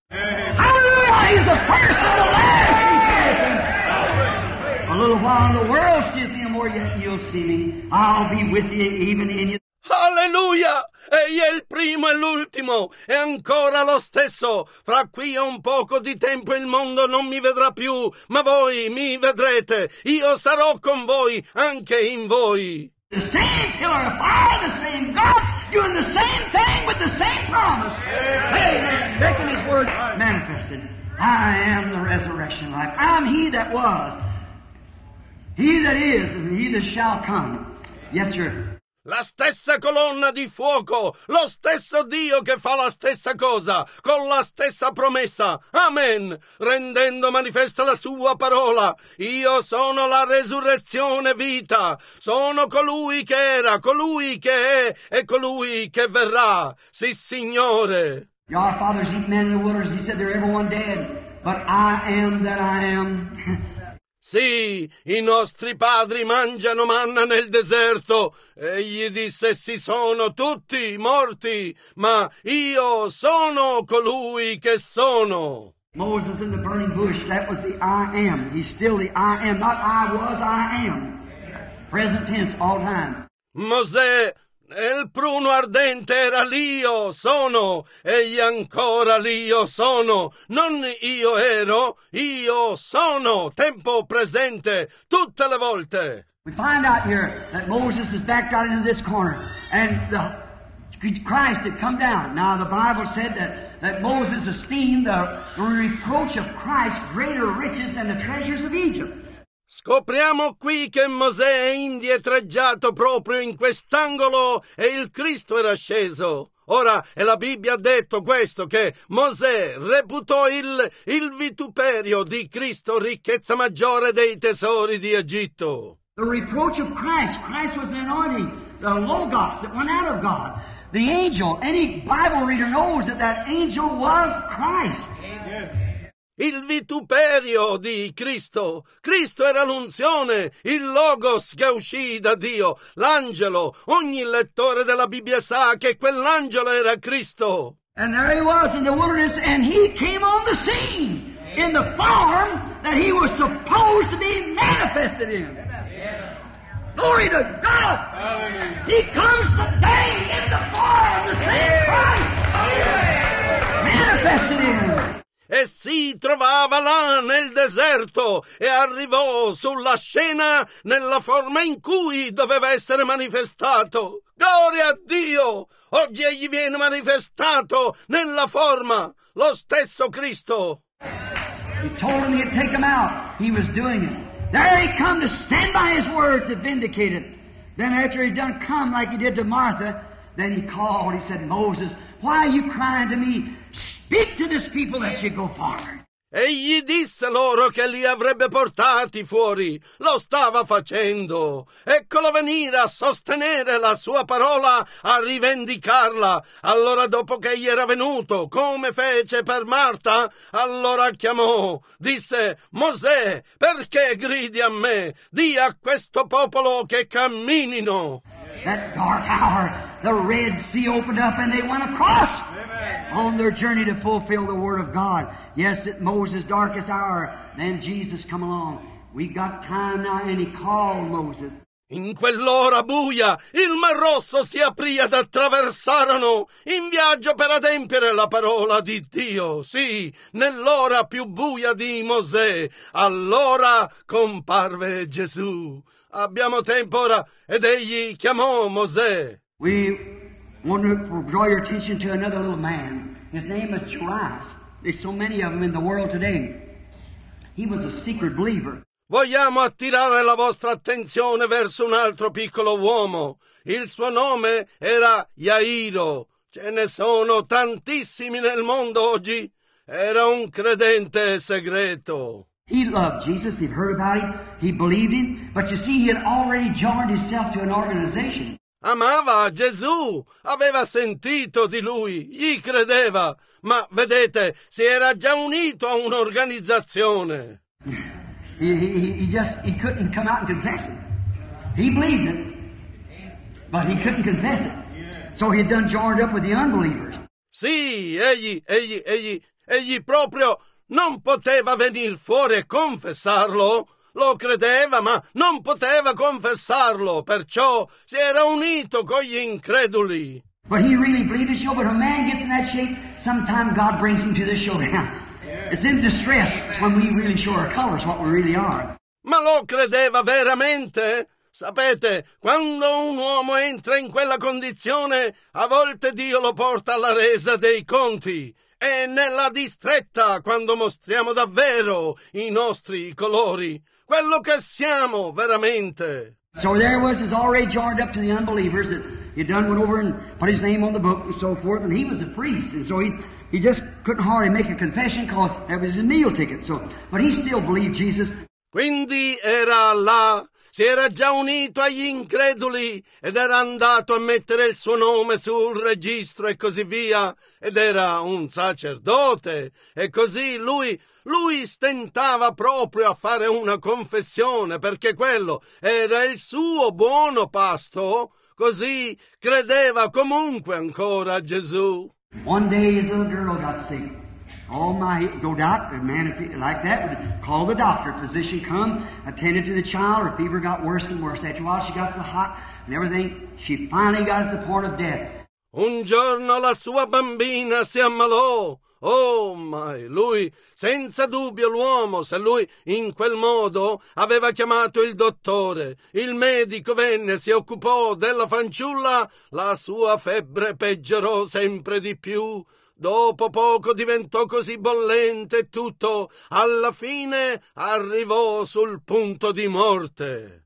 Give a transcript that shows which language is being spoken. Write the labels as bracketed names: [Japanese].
[English] Hallelujah, he's the first and the last, he says. A little while in the world seeth me, and more yet you'll see me. I'll be with you even in you. Alleluia! [Italian] Egli è il primo e l'ultimo, è ancora lo stesso. Fra qui a un poco di tempo il mondo non mi vedrà più, ma voi mi vedrete. Io sarò con voi, anche in voi. [English] The same pillar of fire, the same God, doing the same thing with the same promise. Amen. Amen. Making his word manifested. I am the resurrection life. I'm he that was. He that is and he that shall come. Yes, sir. [Italian] La stessa colonna di fuoco, lo stesso Dio che fa la stessa cosa, con la stessa promessa. Amen. Rendendo manifesta la sua parola. Io sono la resurrezione vita. Sono colui che era, colui che è e colui che verrà. Sì, Signore. [English] Your fathers eat men in the wilderness. He said they're everyone dead. But I am that I am. [Italian] Sì, i nostri padri mangiano manna nel deserto. Egli disse, si sono tutti morti, ma io sono colui che sono. [English] Moses in the burning bush, that was the I am. He's still the I am, not I was, I am. Present tense, all time. [Italian] Mosè, nel pruno ardente era l'io sono, egli ancora l'io sono, non io ero, io sono, tempo presente, tutte le volte. [English] We find out here that Moses is backed out into this corner, and the Christ had come down. Now the Bible said that Moses esteemed the reproach of Christ greater riches than the treasures of Egypt. [Italian] Scopriamo qui che Mosè è indietreggiato proprio in quest'angolo e il Cristo era sceso. Ora, e la Bibbia ha detto questo, che Mosè reputò il vituperio di Cristo ricchezza maggiore dei tesori di Egitto. [English] The reproach of Christ. Christ was an anointing, the Logos that went out of God. The angel, any Bible reader knows that angel was Christ. Amen. [Italian] Il vituperio di Cristo. Cristo era l'unzione, il Logos che uscì da Dio, l'angelo. Ogni lettore della Bibbia sa che quell'angelo era Cristo. [English] And there he was in the wilderness and he came on the scene in the form that he was supposed to be manifested in. Glory to God. Hallelujah. He comes today in the form of the same Christ. Manifested in him. [Italian] E si trovava là nel deserto e arrivò sulla scena nella forma in cui doveva essere manifestato. Gloria a Dio! Oggi egli viene manifestato nella forma, lo stesso Cristo. [English] He told him he'd take him out. He was doing it. There he come to stand by his word to vindicate it. Then after he'd done come like he did to Martha, then he called. He said, Moses, why are you crying to me? Speak to this people that you go far. [Italian] Egli disse loro che li avrebbe portati fuori. Lo stava facendo. Eccolo venire a sostenere la sua parola, a rivendicarla. Allora dopo che gli era venuto, come fece per Marta, allora chiamò. Disse, Mosè, perché gridi a me? Di a questo popolo che camminino. [English] That dark hour, the Red Sea opened up and they went across. On their journey to fulfill the word of God. Yes, at Moses' darkest hour, then Jesus come along. We got time now, and he called Moses. [Italian] In quell'ora buia, il Mar Rosso si aprì ed attraversarono in viaggio per adempiere la parola di Dio. Sì, nell'ora più buia di Mosè, allora comparve Gesù. Abbiamo tempo ora, ed egli chiamò Mosè. [English] We want to draw your attention to another little man. His name is Jairus. There's so many of them in the world today. He was a secret believer. [Italian] Vogliamo attirare la vostra attenzione verso un altro piccolo uomo. Il suo nome era Jairo. Ce ne sono tantissimi nel mondo oggi. Era un credente segreto. [English] He loved Jesus. He'd heard about him. He believed him. But you see, he had already joined himself to an organization. [Italian] Amava Gesù, aveva sentito di lui, gli credeva, ma vedete, si era già unito a un'organizzazione. [English] He couldn't come out and confess it. He believed it, but he couldn't confess it. So he'd done joined up with the unbelievers. [Italian] Sì, egli proprio non poteva venire fuori e confessarlo. Lo credeva, ma non poteva confessarlo, perciò si era unito con gli increduli. [English] But he really believed the show, but a man gets in that shape, sometimes God brings him to the show. It's in distress, it's when we really show our colors, what we really are. [Italian] Ma lo credeva veramente? Sapete, quando un uomo entra in quella condizione, a volte Dio lo porta alla resa dei conti. È nella distretta quando mostriamo davvero i nostri colori. Quello che siamo veramente. [English] So there was his already joined up to the unbelievers that he'd done went over and put his name on the book and so forth, and he was a priest, and so he just couldn't hardly make a confession because that was his meal ticket. So, but he still believed Jesus. [Italian] Quindi era là, si era già unito agli increduli ed era andato a mettere il suo nome sul registro e così via, ed era un sacerdote, e così lui stentava proprio a fare una confessione, perché quello era il suo buono pasto, così credeva comunque ancora a Gesù. [English] One day his little girl got sick. Oh my, no doubt, a man like that would call the doctor, physician come, attended to the child, her fever got worse and worse. After a while she got so hot and everything, she finally got at the point of death. [Italian] Un giorno la sua bambina si ammalò. [English] Oh my, [Italian] lui, senza dubbio l'uomo, se lui in quel modo aveva chiamato il dottore, il medico venne, si occupò della fanciulla, la sua febbre peggiorò sempre di più, dopo poco diventò così bollente e tutto, alla fine arrivò sul punto di morte.